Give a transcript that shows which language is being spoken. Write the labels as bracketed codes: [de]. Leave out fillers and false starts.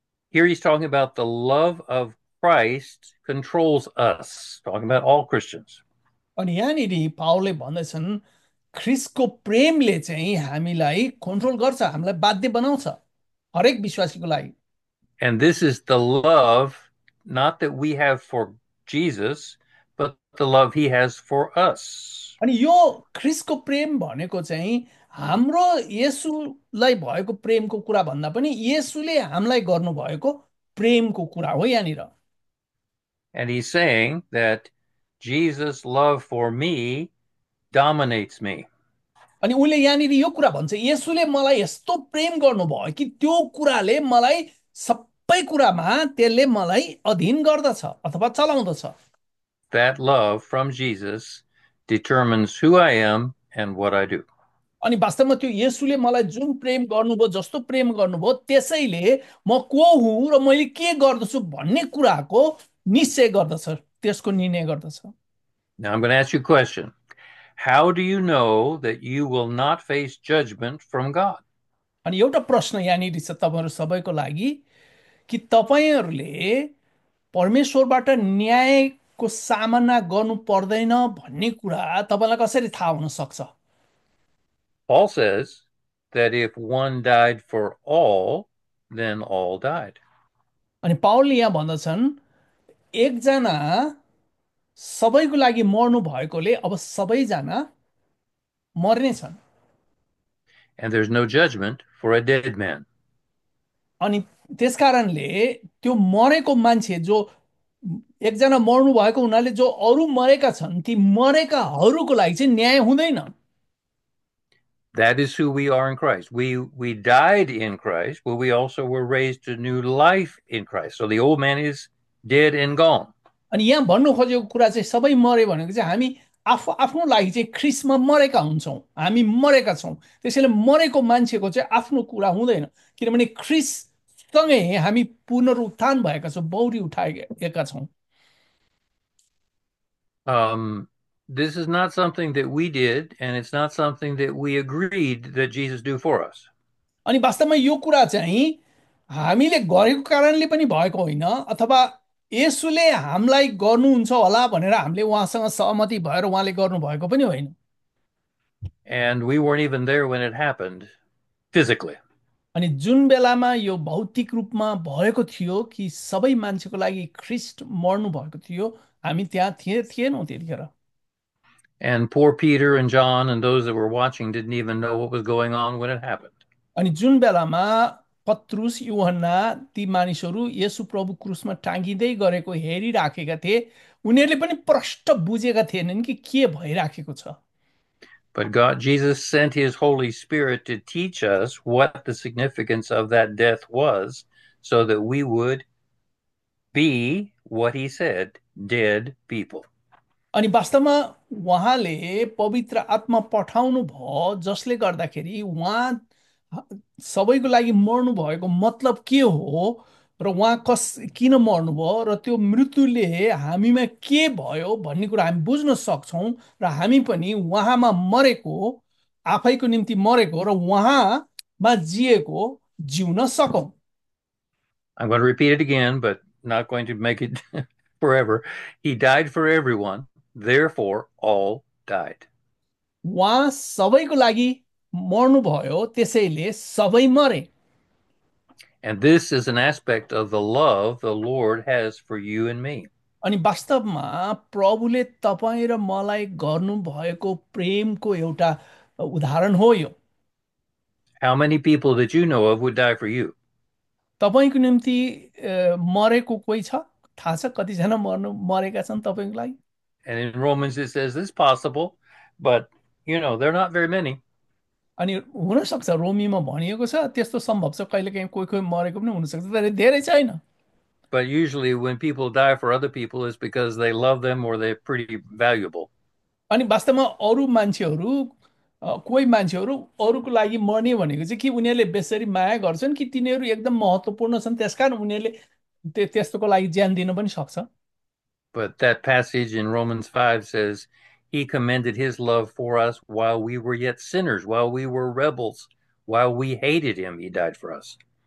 [en] Here he's talking about the love of Christ controls us, talking about all Christians. [ne] अनि यहाँनिर पावलले भन्दैछन् ख्रिस्टको प्रेमले चाहिँ हामीलाई कन्ट्रोल गर्छ, हामीलाई बाध्य बनाउँछ हरेक विश्वासीको लागि। [en] And this is the love not that we have for Jesus, but the love he has for us. [ne] अनि यो ख्रिसको प्रेम भनेको चाहिँ हाम्रो येसुलाई भएको प्रेमको कुरा भन्दा पनि येसुले हामीलाई गर्नुभएको प्रेमको कुरा हो यहाँनिर। [en] And he's saying that Jesus' love for me dominates me. [ne] अनि उसले यहाँनिर यो कुरा भन्छ, येसुले मलाई यस्तो प्रेम गर्नुभयो कि त्यो कुराले मलाई सबै कुरामा त्यसले मलाई अधीन गर्दछ अथवा चलाउँदछ। [en] That love from Jesus determines who I am and what I do. [ne] अनि वास्तवमा त्यो येसुले मलाई जुन प्रेम गर्नुभयो, जस्तो प्रेम गर्नुभयो, त्यसैले म को हुँ र मैले के गर्दछु भन्ने कुराको निश्चय गर्दछ, त्यसको निर्णय गर्दछ। [en] Now I'm going to ask you a question. How do you know that you will not face judgment from God? [ne] अनि एउटा प्रश्न यहाँनिर छ तपाईँहरू सबैको लागि कि तपाईँहरूले परमेश्वरबाट न्यायको सामना गर्नु पर्दैन भन्ने कुरा तपाईँलाई कसरी थाहा हुन सक्छ? [en] Paul says that if one died for all, then all died. [ne] अनि पाउलले यहाँ भन्दछन्, एकजना सबैको लागि मर्नु भएकोले अब सबैजना मर्ने छन्। [en] And there's no judgment for a dead man. [ne] अनि त्यसकारणले त्यो मरेको मान्छे, जो एकजना मर्नु भएको हुनाले जो अरू मरेका छन्, ती मरेकाहरूको लागि चाहिँ न्याय हुँदैन। [en] That is who we are in Christ. We died in Christ, but we also were raised to new life in Christ. So the old man is dead and gone. [ne] अनि यहाँ भन्नु खोजेको कुरा चाहिँ सबै मरे भनेको चाहिँ हामी आफ्नो लागि चाहिँ ख्रिस्टमा मरेका हुन्छौँ, हामी मरेका छौँ, त्यसैले मरेको मान्छेको चाहिँ आफ्नो कुरा हुँदैन, किनभने ख्रिस्टसँगै हामी पुनरुत्थान भएका छौँ, बौरी उठाएका छौँ। [en] This is not something that we did, and it's not something that we agreed that Jesus do for us. [ne] अनि वास्तवमा यो कुरा चाहिँ हामीले गरेको कारणले पनि भएको होइन, अथवा येसुले हामीलाई गर्नुहुन्छ होला भनेर हामीले उहाँसँग सहमति भएर उहाँले गर्नुभएको पनि होइन। [en] And we weren't even there when it happened physically. [ne] अनि जुन बेलामा यो भौतिक रूपमा भएको थियो कि सबै मान्छेको लागि ख्रिस्ट मर्नु भएको थियो, हामी त्यहाँ थिएनौँ त्यतिखेर। [en] And poor Peter and John and those that were watching didn't even know what was going on when it happened. [ne] अनि जुन बेलामा पत्रुस, युहन्ना ती मानिसहरू येशु प्रभु क्रुसमा टाँगिँदै गरेको हेरिराखेका थिए, उनीहरूले पनि प्रष्ट बुझेका थिएनन् कि के भइराखेको छ। [en] But God, Jesus sent his Holy Spirit to teach us what the significance of that death was so that we would be what he said, dead people. [ne] अनि वास्तवमा उहाँले पवित्र आत्मा पठाउनु भयो, जसले गर्दाखेरि उहाँ सबैको लागि मर्नु भएको मतलब के हो र उहाँ किन मर्नुभयो र त्यो मृत्युले हामीमा के भयो भन्ने कुरा हामी बुझ्न सक्छौँ, र हामी पनि उहाँमा मरेको, आफैको निम्ति मरेको र उहाँमा जिएको जिउन सकौँ। [en] I'm going to repeat it again, but not going to make it forever. He died for everyone, therefore, all died. [ne] उहाँ सबैको लागि मर्नुभयो, त्यसैले सबै मरे। [en] And this is an aspect of the love the Lord has for you and me. [ne] अनि वास्तवमा प्रभुले तपाईँ र मलाई गर्नुभएको प्रेमको एउटा उदाहरण हो यो। [en] How many people that you know of would die for you? [ne] तपाईँको निम्ति मरेको कोही छ? थाहा छ कतिजना मरेका छन् तपाईँको लागि? [en] And in Romans it says this is possible, but they're not very many. [ne] अनि हुनसक्छ रोमीमा भनिएको छ त्यस्तो सम्भव छ, कहिलेकाहीँ कोही कोही मरेको पनि हुनसक्छ, तर धेरै छैन। [en] But usually when people die for other people, it's because they love them or they're pretty valuable. [ne] अनि वास्तवमा अरू मान्छेहरू, कोही मान्छेहरू अरूको लागि मर्ने भनेको चाहिँ कि उनीहरूले बेसरी माया गर्छन् कि तिनीहरू एकदम महत्त्वपूर्ण छन्, त्यसकारण उनीहरूले त्यस्तोको लागि ज्यान दिन पनि सक्छ। [en] But that passage in Romans 5 says he commended his love for us while we were yet sinners, while we were rebels, while we hated him, he died for us.